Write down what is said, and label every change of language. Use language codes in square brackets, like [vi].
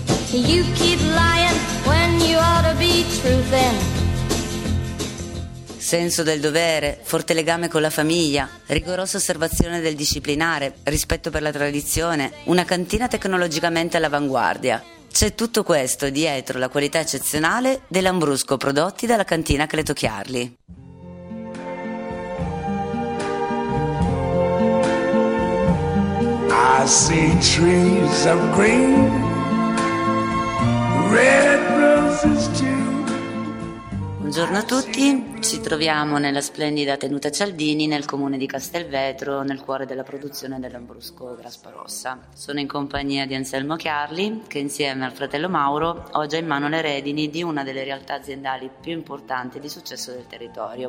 [en] You keep lying when you ought to be truthin'. [it] Senso del dovere, forte legame con la famiglia, rigorosa osservazione del disciplinare, rispetto per la tradizione, una cantina tecnologicamente all'avanguardia. C'è tutto questo dietro la qualità eccezionale dei Lambrusco prodotti dalla cantina Cleto Chiarli. [en] I see trees of green, red roses too. [it] Buongiorno a tutti, ci troviamo nella splendida tenuta Cialdini nel comune di Castelvetro, nel cuore della produzione del Lambrusco Graspa Rossa. Sono in compagnia di Anselmo Chiarli, che insieme al fratello Mauro ho già in mano le redini di una delle realtà aziendali più importanti di successo del territorio.